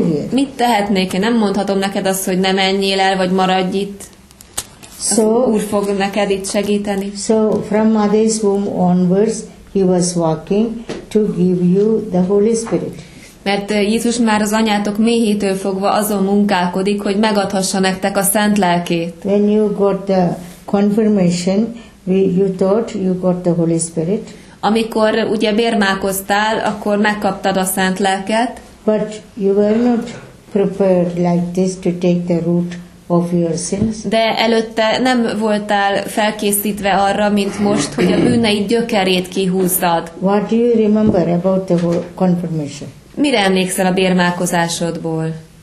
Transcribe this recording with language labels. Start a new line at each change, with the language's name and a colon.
Hungarian: Mit tehetnék? Én nem mondhatom neked azt, hogy ne menjél el, vagy maradj itt.
English: So,
Hungarian: Úr fog neked itt segíteni.
English: So from mother's womb onwards he was walking to give you the Holy Spirit.
Hungarian: Mert Jézus már az anyátok méhétől fogva azon munkálkodik, hogy megadhassa nektek a Szent Lelkét.
English: When you got the confirmation, you thought you got the Holy Spirit.
Hungarian: Amikor ugye bérmálkoztál, akkor megkaptad a Szent Lelket.
English: But you were not prepared like this to take the root of your sins.
Hungarian: De előtte nem voltál felkészítve arra, mint most, hogy a bűneid gyökerét kihúzzad.
English: What do you remember about the confirmation?
Hungarian: Mire emlékszel a bérmálkozásodból?